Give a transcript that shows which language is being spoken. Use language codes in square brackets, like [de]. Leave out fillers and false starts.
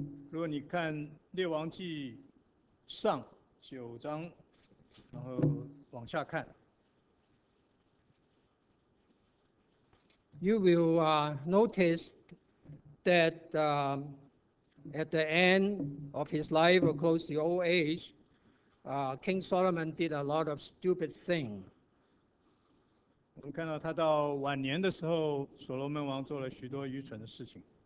[zh] 如果你看《列王记》上九章，然后往下看 [en] ，You will notice that at the end of his life, or close to old age, King Solomon did a lot of stupid thing. [zh] 我们看到他到晚年的时候，所罗门王做了许多愚蠢的事情。